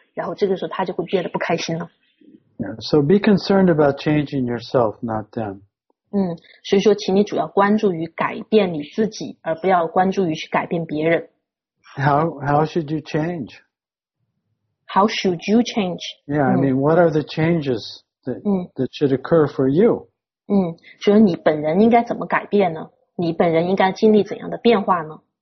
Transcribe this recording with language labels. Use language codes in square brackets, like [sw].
[zh] 然后这个时候他就会变得不开心了。 [en] Yeah, so be concerned about changing yourself, not them. [zh] 所以说请你主要关注于改变你自己，而不要关注于去改变别人。 [en] How should you change? How should you change? Yeah, I mean, what are the changes that should occur for you? [zh] 所以你本人应该怎么改变呢？你本人应该经历怎样的变化呢？